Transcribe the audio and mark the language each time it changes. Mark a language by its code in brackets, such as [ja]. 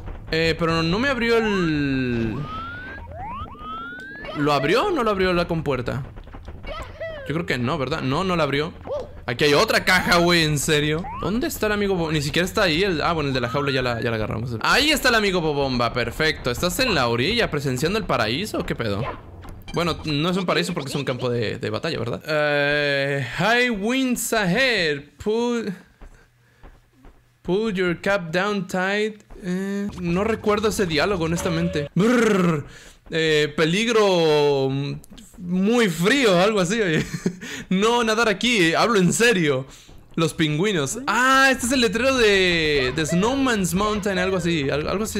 [es] Pero no me abrió el... ¿Lo abrió o no lo abrió la compuerta? Yo creo que no, ¿verdad? No, no la abrió. Aquí hay otra caja, güey, en serio. ¿Dónde está el amigo Bobomba? Ni siquiera está ahí el... Ah, bueno, el de la jaula ya la agarramos. Ahí está el amigo Bobomba, perfecto. ¿Estás en la orilla presenciando el paraíso o qué pedo? Bueno, no es un paraíso porque es un campo de batalla, ¿verdad? [en] High winds ahead. Pull your cap down tight. [es] No recuerdo ese diálogo, honestamente. Brrr, peligro muy frío, algo así. No nadar aquí, hablo en serio. Los pingüinos. Ah, este es el letrero de Snowman's Mountain, algo así. Algo así.